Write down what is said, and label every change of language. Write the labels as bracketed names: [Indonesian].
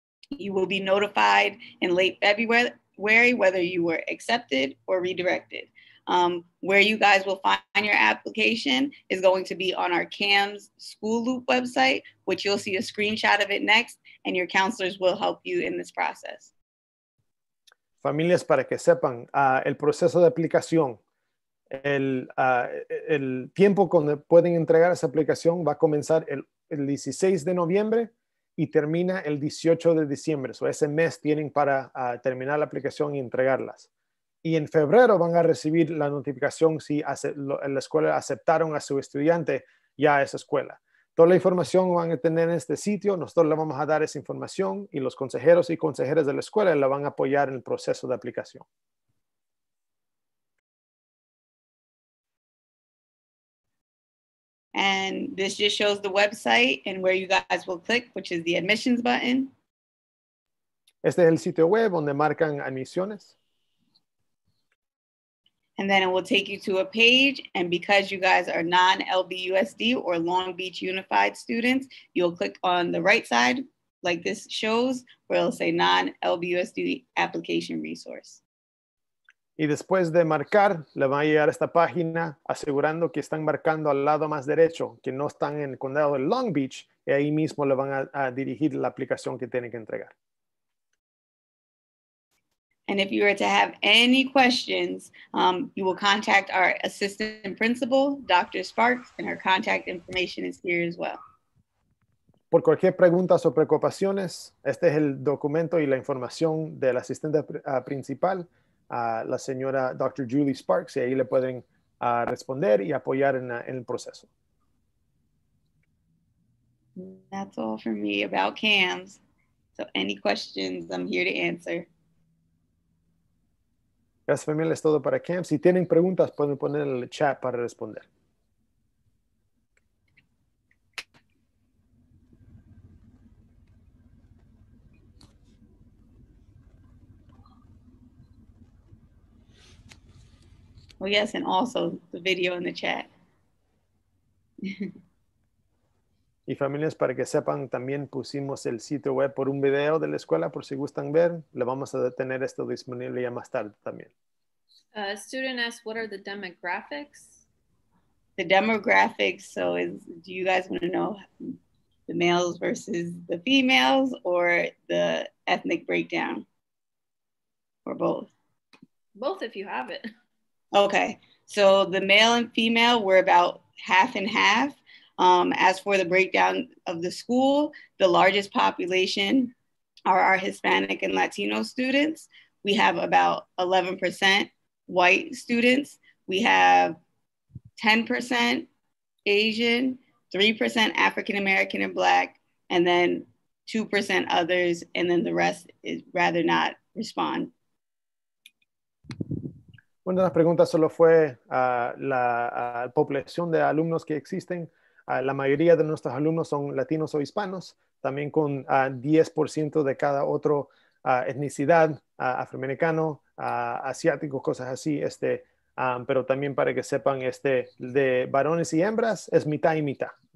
[English] You will be notified in late February whether you were accepted or redirected. Where you guys will find your application is going to be on our CAMS School Loop website, which you'll see a screenshot of it next, and your counselors will help you in this process. [Spanish] Familias, para que sepan, el proceso de aplicación, el tiempo cuando pueden entregar esa aplicación va a comenzar el 16 de noviembre y termina el 18 de diciembre. So ese mes tienen para terminar la aplicación y entregarlas. Y en febrero van a recibir la notificación si la escuela aceptaron a su estudiante ya a esa escuela. Toda la información van a tener en este sitio. Nosotros le vamos a dar esa información y los consejeros y consejeras de la escuela la van a apoyar en el proceso de aplicación. [English] And this just shows the website and where you guys will click, which is the admissions button. [Spanish] Este es el sitio web donde marcan admisiones. [English] And then it will take you to a page. And because you guys are non-LBUSD or Long Beach Unified students, you'll click on the right side, like this shows, where it'll say non-LBUSD application resource. [Spanish] Y después de marcar, le van a llegar a esta página asegurando que están marcando al lado más derecho, que no están en el condado de Long Beach, y ahí mismo le van a dirigir la aplicación que tienen que entregar. [English] And if you were to have any questions, you will contact our assistant principal, Dr. Sparks, and her contact information is here as well. [Spanish] Por cualquier pregunta o preocupaciones, este es el documento y la información del asistente principal, la señora Dr. Julie Sparks, y ahí le pueden responder y apoyar en el proceso. [English] That's all for me about CAMS. So any questions, I'm here to answer. [Spanish] Gracias, familia, es todo para CAMS. Si tienen preguntas, pueden poner en el chat para responder. [English] Well, yes, and also the video in the chat. [Spanish] Y familias, para que sepan, también pusimos el sitio web por un video de la escuela, por si gustan ver. Le vamos a tener esto disponible ya más tarde también. [English] A student asks, what are the demographics? the demographics. So is, do you guys want to know the males versus the females or the ethnic breakdown or both? Both if you have it. Okay. So the male and female were about half and half. As for the breakdown of the school, the largest population are our Hispanic and Latino students. We have about 11% white students. We have 10% Asian, 3% African-American and Black, and then 2% others, and then the rest is rather not respond. [Spanish] Una de las preguntas solo fue la población de alumnos que existen. La mayoría de nuestros alumnos son latinos o hispanos, también con 10% de cada otro etnicidad, afroamericano, asiático, cosas así, este, pero también para que sepan, este, de varones y hembras es mitad y mitad.